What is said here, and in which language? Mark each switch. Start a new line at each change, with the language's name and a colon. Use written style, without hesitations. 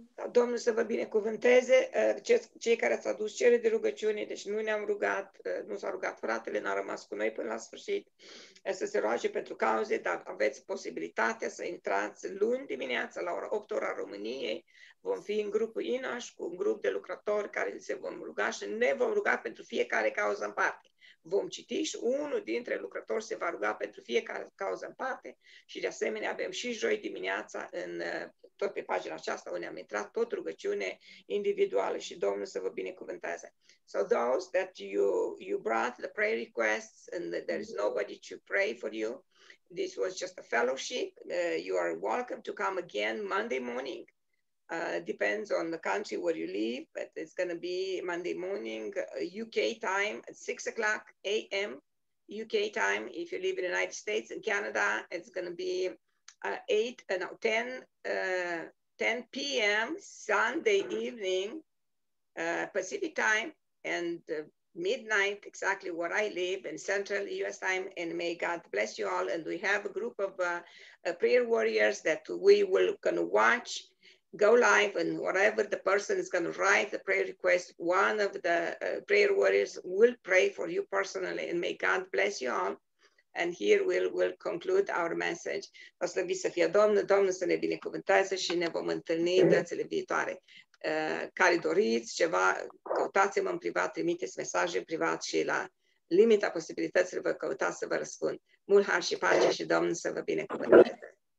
Romanian: Domnul să vă binecuvânteze cei care ați adus cere de rugăciune, deci nu ne-am rugat, nu s-a rugat fratele, n-a rămas cu noi până la sfârșit să se roage pentru cauze, dar aveți posibilitatea să intrați luni dimineața la ora 8 ora României, vom fi în grupul Inaș cu un grup de lucrători care se vom ruga și ne vom ruga pentru fiecare cauză în parte. Vom citi și unul dintre lucrători se va ruga pentru fiecare cauză în parte și de asemenea avem și joi dimineața în tot pe pagina aceasta unde am intrat tot rugăciune individuală și Domnul să vă binecuvânteze.
English: So those that you brought the prayer requests and that there is nobody to pray for you, this was just a fellowship. You are welcome to come again Monday morning. Depends on the country where you live, but it's going to be Monday morning, UK time, at 6 o'clock a.m. UK time. If you live in the United States and Canada, it's going to be 10 p.m. Sunday evening, Pacific time, and midnight, exactly where I live, in Central U.S. time, and may God bless you all. And we have a group of prayer warriors that we will gonna watch go live, and whatever the person is going to write the prayer request, one of the prayer warriors will pray for you personally, and may God bless you all. And here we'll conclude our message.
Romanian: O slăviți să fie Domnul, Domnul să ne binecuvânteze și ne vom întâlni dățile viitoare. Care doriți ceva, căutați-mă în privat, trimiteți mesaje în privat și la limita posibilităților vă căutați să vă răspund. Mult har și pace și Domnul să vă binecuvânteze.